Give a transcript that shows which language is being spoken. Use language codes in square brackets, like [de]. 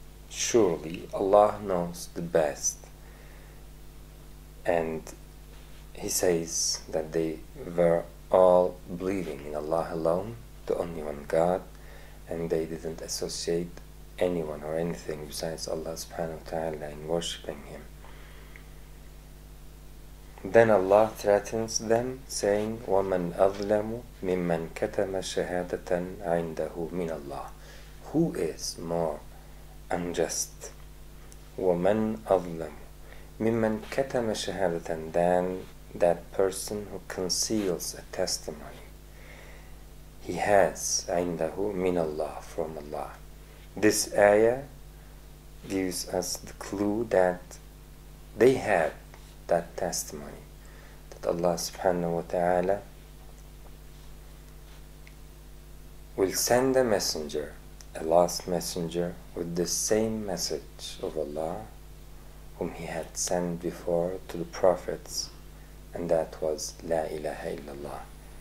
[en] Surely Allah knows the best. And he says that they were all believing in Allah alone, the only one God, and they didn't associate anyone or anything besides Allah subhanahu wa ta'ala in worshipping him. Then Allah threatens them, saying, [ar] وَمَنْ أَظْلَمُ مِمَّنْ كَتَمَ شَهَادَةً عِنْدَهُ مِنَ اللَّهِ. [en] Who is more unjust? [ar] وَمَنْ أَظْلَمُ مِمَّنْ كَتَمَ شَهَادَةً [en] than that person who conceals a testimony he has [ar] عِنْدَهُ مِنَ اللَّهِ [en] from Allah. This ayah gives us the clue that they have that testimony that Allah subhanahu wa ta'ala will send a messenger, a last messenger, with the same message of Allah whom he had sent before to the prophets, and that was La ilaha illallah.